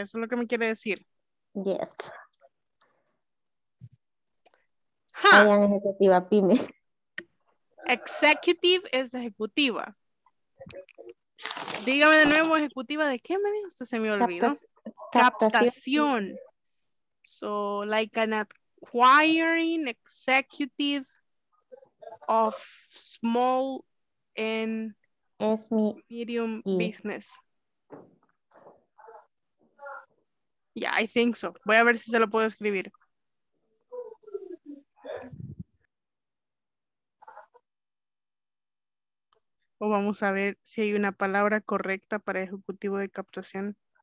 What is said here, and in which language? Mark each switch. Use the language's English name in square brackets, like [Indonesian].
[Spanish] Eso es lo que me quiere decir. [English] Yes. Huh. I am ejecutiva PYME. [Spanish] Executive es ejecutiva. Dígame de nuevo, ejecutiva de qué me dijo. Se me olvidó. Captación. [English] So, like an acquiring executive of small and medium business. Yeah, I think so. [Spanish] Voy a ver si se lo puedo escribir. O vamos a ver si hay una palabra correcta para ejecutivo de captación.